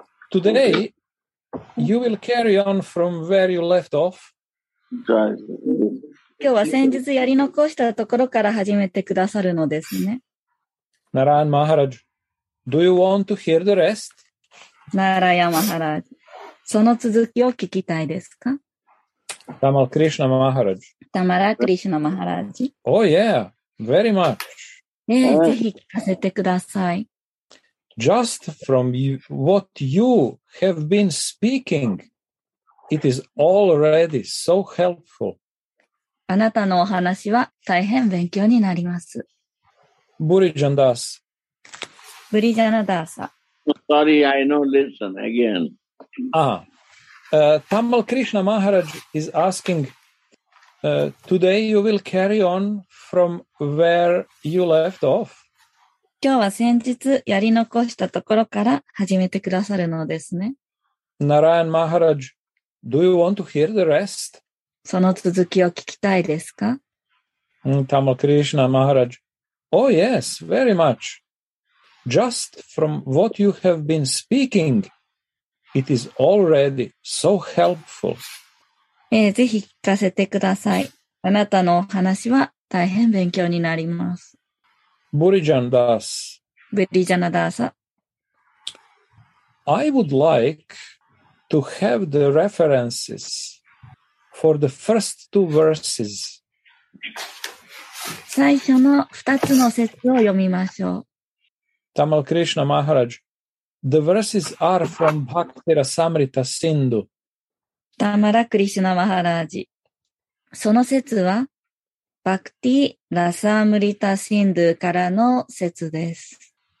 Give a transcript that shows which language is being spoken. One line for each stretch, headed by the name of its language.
English: Today, you will carry on from where you left off.
Japanese: 今日は先日やり残したところから始めてくださるのですね。
English: ナラヤン・マハラージュ、Do you want to hear the rest?
Japanese: ナラヤン・マハラージュ、その続きを聞きたいですか？タマラ・クリシュナ・マハラージュ。タマラ・クリシュナ・マハラージ
English: ュ。Oh, yeah, very much.
Japanese: ぜひ聞かせてください。
English: Just from what you have been speaking, it is already so helpful.
Japanese: あなたのお話は大変勉強になります。ブリジャンダーサ。ブリジャナダーサ。
English: Sorry, I don't listen again. Tamal Krishna Maharaj is asking,today you will carry on from where you left off.
Japanese: 今日は先日やり残したところから始めてくださるのですね。
English: Narayan Maharaj, do you want to hear the rest?
Japanese: その続きを聞きたいですか？
English: Tamal Krishna Maharaj, oh yes, very much. Just from what you have been speaking, it is already so helpful.
Japanese: ぜひ聞かせてください。あなたのお話は大変勉強になります。ブリジャンダーサ。ブリジャナダーサ。
English: I would like to have the references for the first two verses.
Japanese: 最初の二つの節を読みましょう。タマル・クリシュナ・マハラジ。
English: The verses are from Bhakti Rasamrita Sindhu.
Japanese: タマラ・クリシュナ・マハラージ。その説は、バクティ・ラサムリタ・シンドゥからの説です。